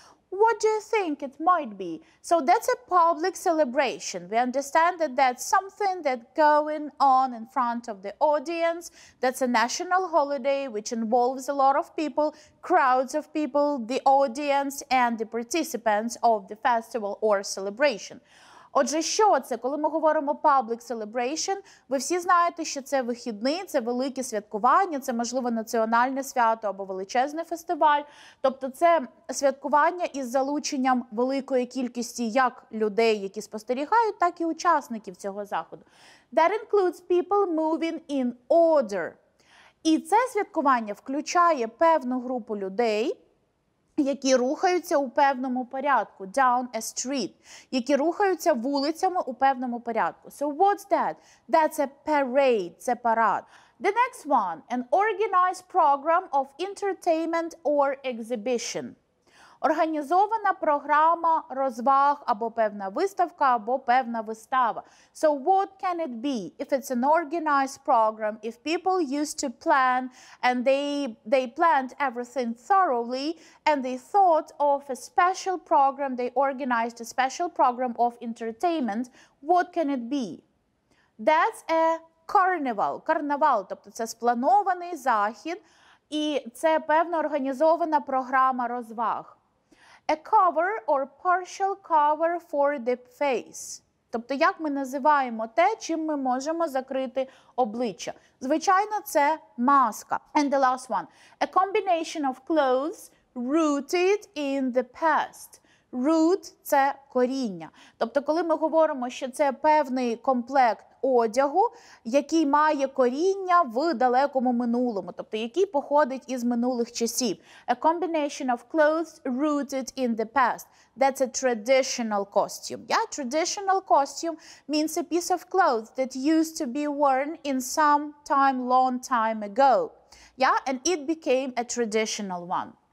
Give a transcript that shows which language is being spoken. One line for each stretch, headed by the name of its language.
English: What do you think it might be? So that's a public celebration. We understand that that's something that's going on in front of the audience. That's a national holiday which involves a lot of people, crowds of people, the audience and the participants of the festival or celebration.
Ukrainian: Отже, що це? Коли ми говоримо public celebration, ви всі знаєте, що це вихідний, це велике святкування, це, можливо, національне свято або величезний фестиваль. Тобто це святкування із залученням великої кількості як людей, які спостерігають, так і учасників цього заходу.
English: That includes people moving in order.
Ukrainian: І це святкування включає певну групу людей, які рухаються у певному порядку,
English: down a street,
Ukrainian: які рухаються вулицями у певному порядку.
English: So what's that? That's a parade,
Ukrainian: це парад.
English: The next one, an organized program of entertainment or exhibition.
Ukrainian: Організована програма розваг або певна виставка або певна вистава.
English: So what can it be if it's an organized program, if people used to plan and they planned everything thoroughly and they thought of a special program, they organized a special program of entertainment, what can it be? That's a carnival.
Ukrainian: Карнавал, тобто це спланований захід і це певна організована програма розваг. A cover or partial cover for the face. Тобто, як ми називаємо те, чим ми можемо закрити обличчя? Звичайно, це маска.
English: And the last one. A combination of clothes rooted in the past.
Ukrainian: Root – це коріння. Тобто, коли ми говоримо, що це певний комплект одягу, який має коріння в далекому минулому, тобто який походить із минулих часів.
English: A combination of clothes rooted in the past. That's a traditional costume. Yeah, traditional costume means a piece of clothes that used to be worn in some time, long time ago. Yeah, and it became a traditional one.